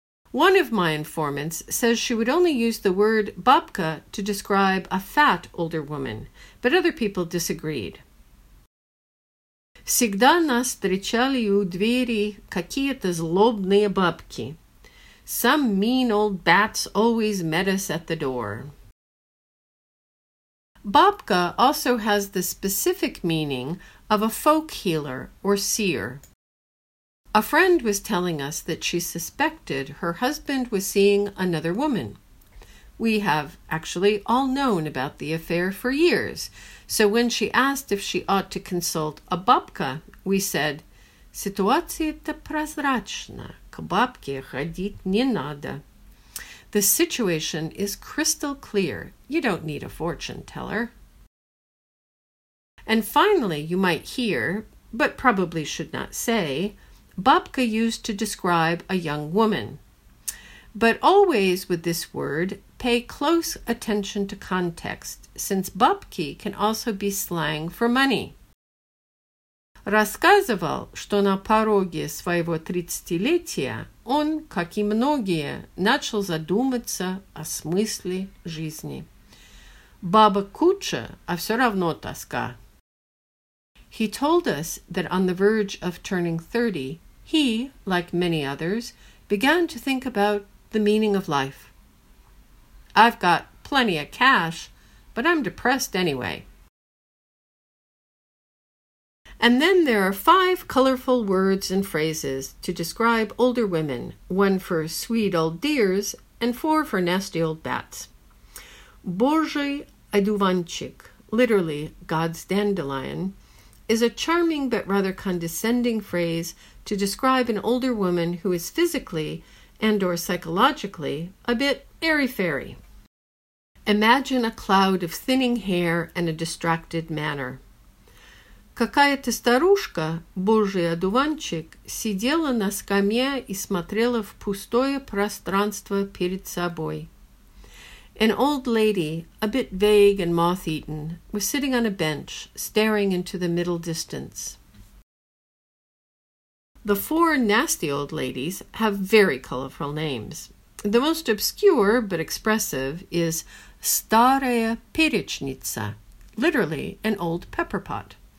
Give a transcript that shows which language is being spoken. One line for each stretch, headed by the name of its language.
English: One of my informants says she would only use the word бабка to describe a fat older woman, but other people disagreed.
Russian: Всегда нас встречали у двери какие-то злобные бабки.
English: Some mean old bats always met us at the door. Бабка also has the specific meaning of a folk healer or seer. A friend was telling us that she suspected her husband was seeing another woman. We have actually all known about the affair for years, so when she asked if she ought to consult a бабка, we said,
Russian: Ситуация-то прозрачна. К бабке ходить не надо.
English: The situation is crystal clear. You don't need a fortune teller. And finally, you might hear, but probably should not say, бабка used to describe a young woman. But always with this word, pay close attention to context, since бабки can also be slang for money.
Russian: Рассказывал, что на пороге своего тридцатилетия он, как и многие, начал задуматься о смысле жизни. Баба куча, а все равно тоска.
English: He told us that on the verge of turning 30, he, like many others, began to think about the meaning of life. I've got plenty of cash, but I'm depressed anyway. And then there are five colorful words and phrases to describe older women, one for sweet old dears and four for nasty old bats. Божий одуванчик, literally God's dandelion, is a charming but rather condescending phrase to describe an older woman who is physically and or psychologically a bit airy-fairy. Imagine a cloud of thinning hair and a distracted manner.
Russian: Какая-то старушка, божий одуванчик, сидела на скамье и смотрела в пустое пространство перед собой.
English: An old lady, a bit vague and moth-eaten, was sitting on a bench, staring into the middle distance. The four nasty old ladies have very colorful names. The most obscure but expressive is Старая перечница, literally an old pepper pot.